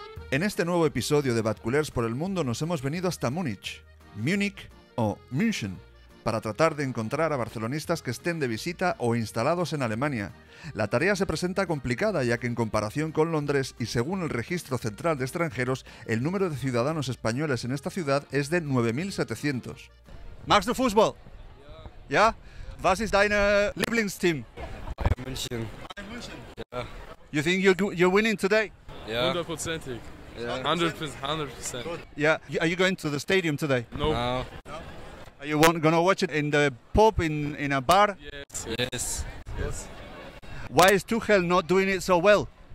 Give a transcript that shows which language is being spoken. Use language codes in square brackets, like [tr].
[es] En este nuevo episodio de Bad Culers por el Mundo nos hemos venido hasta Múnich, Múnich o München, para tratar de encontrar a barcelonistas que estén de visita o instalados en Alemania. La tarea se presenta complicada ya que en comparación con Londres y según el Registro Central de Extranjeros, el número de ciudadanos españoles en esta ciudad es de 9.700. Max de Fútbol. ¿Ya? [de] ¿Was ist dein Lieblingsteam? Bayern München. Bayern München. Ja. [en] You think you're winning today? Yeah. 100%. Yeah. 100%. Yeah. Are you going to the stadium today? Nope. No. Are you gonna watch it in the pub in a bar? Yes. Yes. Yes. Why is Tuchel not doing it so well?